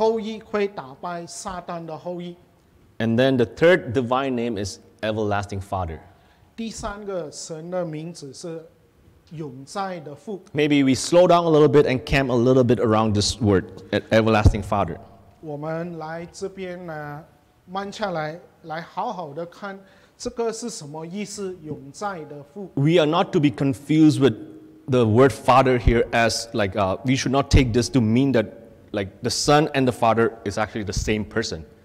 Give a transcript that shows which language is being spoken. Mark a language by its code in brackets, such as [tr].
[zh] 所以我们也可以看到，就好像创世纪第三节那边预言到的，女人的后裔会打败撒旦的后裔。 [en] And then the third divine name is Everlasting Father. [zh] 第三个神的名字是永在的父。 [en] Maybe we slow down a little bit and camp a little bit around this word, Everlasting Father. [zh] 我们来这边呢，慢下来，来好好的看，这个是什么意思？永在的父。 [en] We are not to be confused with the word father here as like we should not take this to mean that like the son and the father is actually the same person.